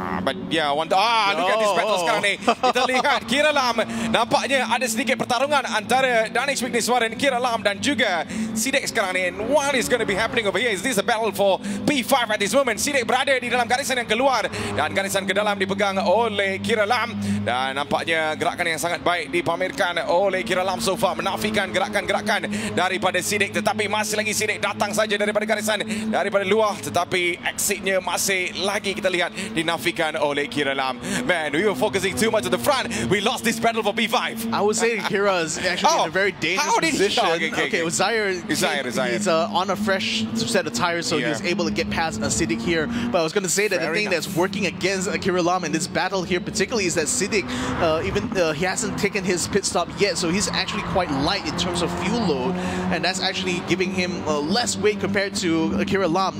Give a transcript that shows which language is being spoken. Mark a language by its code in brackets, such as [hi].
[en] But yeah, look at this battle [ms] sekarang ni. Kita lihat Kiralam. Nampaknya ada sedikit pertarungan antara Danish Witness Warren, Kiralam dan juga Sidek sekarang ni. [en] And what is going to be happening over here? Is this a battle for P5 at this moment? [ms] Sidek berada di dalam garisan yang keluar. Dan garisan ke dalam dipegang oleh Kiralam. Dan nampaknya gerakan yang sangat baik dipamerkan oleh Kiralam [en] so far. [ms] Menafikan gerakan-gerakan daripada Sidek. Tetapi masih lagi Sidek datang saja daripada garisan daripada luar. Tetapi exitnya masih lagi kita lihat dinafikan oleh Kiralam. [en] Man, we were focusing too much at the front. We lost this battle for P5. I would say Kira is actually in a very dangerous position. Uzair is on a fresh set of tires, so he's able to get past a Siddiq here. But I was going to say that the thing that's working against Kiralam in this battle here particularly is that Siddiq, he hasn't taken his pit stop yet, so he's actually quite light in terms of fuel load, and that's actually giving him less weight compared to Kiralam.